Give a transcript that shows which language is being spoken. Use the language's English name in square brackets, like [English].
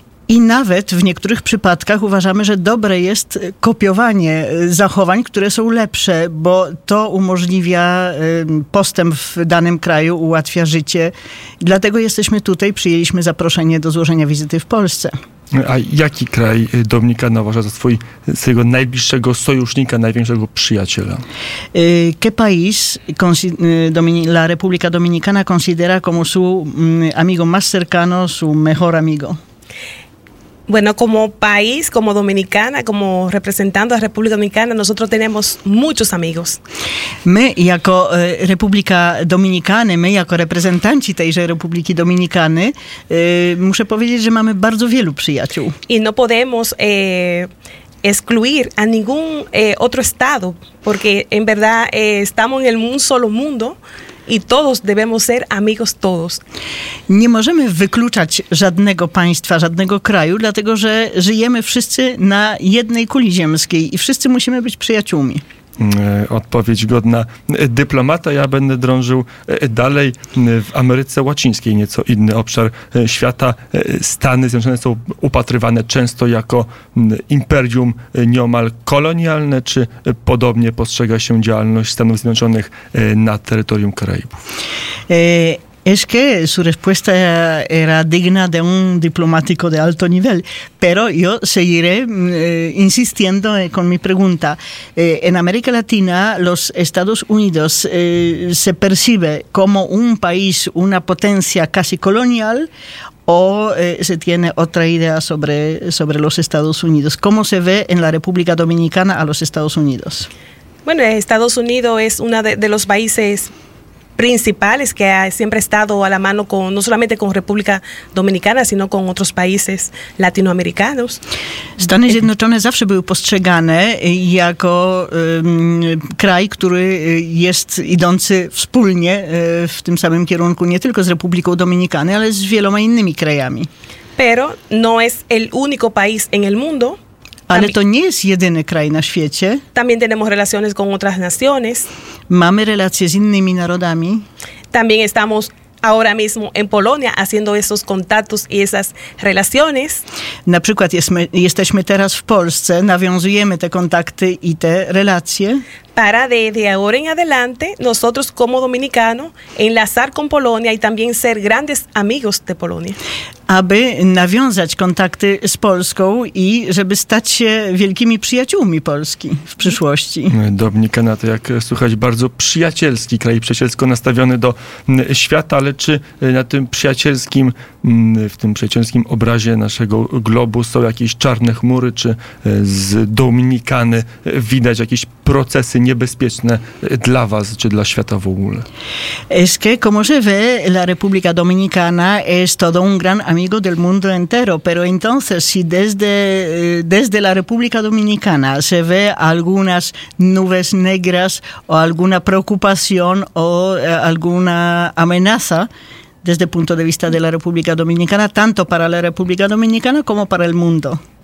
[Polish] I nawet w niektórych przypadkach uważamy, że dobre jest kopiowanie zachowań, które są lepsze, bo to umożliwia postęp w danym kraju, ułatwia życie. Dlatego jesteśmy tutaj, przyjęliśmy zaproszenie do złożenia wizyty w Polsce. A jaki kraj Dominikana uważa za swojego najbliższego sojusznika, największego przyjaciela? [Spanish] ¿Qué país la República Dominicana considera como su amigo más cercano, su mejor amigo? Bueno, como país, como dominicana, como representando a la República Dominicana, nosotros tenemos muchos amigos. [Polish] My jako Republika Dominikany, my jako reprezentanci tejże Republiki Dominikany, muszę powiedzieć, że mamy bardzo wielu przyjaciół. [Spanish] Y no podemos excluir a ningún otro estado, porque en verdad estamos en un solo mundo. I todos debemos ser amigos todos. [Polish] Nie możemy wykluczać żadnego państwa, żadnego kraju, dlatego że żyjemy wszyscy na jednej kuli ziemskiej i wszyscy musimy być przyjaciółmi. Odpowiedź godna dyplomata. Ja będę drążył dalej. W Ameryce Łacińskiej, nieco inny obszar świata, Stany Zjednoczone są upatrywane często jako imperium nieomal kolonialne. Czy podobnie postrzega się działalność Stanów Zjednoczonych na terytorium Karaibów? [Spanish] Es que su respuesta era digna de un diplomático de alto nivel, pero yo seguiré insistiendo con mi pregunta. En América Latina, los Estados Unidos se percibe como un país, una potencia casi colonial, o se tiene otra idea sobre los Estados Unidos. ¿Cómo se ve en la República Dominicana a los Estados Unidos? Bueno, Estados Unidos es uno de los países principales que ha siempre estado a la mano con no solamente con República Dominicana, sino con otros países latinoamericanos. [Polish] Stany Zjednoczone zawsze były postrzegane jako kraj, który jest idący wspólnie w tym samym kierunku, nie tylko z Republiką Dominikany, ale z wieloma innymi krajami. [Spanish] Pero no es el único país en el mundo. [Polish] Ale to nie jest jedyny kraj na świecie. [Spanish] También tenemos relaciones con otras naciones. [Polish] Mamy relacje z innymi narodami. [Spanish] También estamos ahora mismo en Polonia haciendo esos contactos y esas relaciones. [Polish] Na przykład jesteśmy teraz w Polsce, nawiązujemy te kontakty i te relacje. [Spanish] para desde ahora en adelante nosotros como dominicanos enlazar con Polonia y también ser grandes amigos de Polonia. [Polish] Aby nawiązać kontakty z Polską i żeby stać się wielkimi przyjaciółmi Polski w przyszłości. Dominikana to, jak słychać, bardzo przyjacielski kraj, przyjacielsko nastawiony do świata, ale czy na tym przyjacielskim, w tym przyjacielskim obrazie naszego globu są jakieś czarne chmury, czy z Dominikany widać jakieś procesy niebezpieczne dla was, czy dla świata w ogóle? [Spanish] Es que, como se ve, la República Dominicana es todo un gran amigo del mundo entero, pero entonces si desde la República Dominicana se ve algunas nubes negras o alguna preocupación o alguna amenaza desde el punto de vista de la República Dominicana, tanto para la República Dominicana como para el mundo.